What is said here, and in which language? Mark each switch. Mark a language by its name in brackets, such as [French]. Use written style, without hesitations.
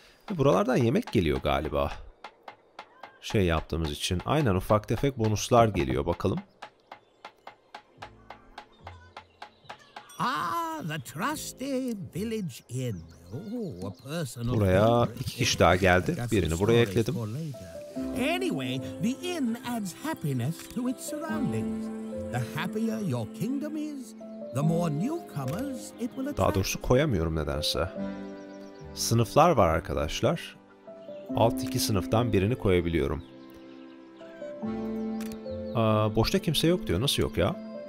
[Turkish] Buralardan yemek geliyor galiba. Şey yaptığımız için. Aynen, ufak tefek bonuslar geliyor. Bakalım. [English] The trusty village inn. Oh, a personal. [Turkish] Buraya iki kişi daha geldi. Birini buraya ekledim. [English] Anyway, the inn adds happiness to its surroundings. The happier your kingdom is, the more newcomers it will attract. [Turkish] Daha doğrusu koyamıyorum nedense. Sınıflar var arkadaşlar. Alt iki sınıftan birini koyabiliyorum. Boşta kimse yok diyor. Nasıl yok ya?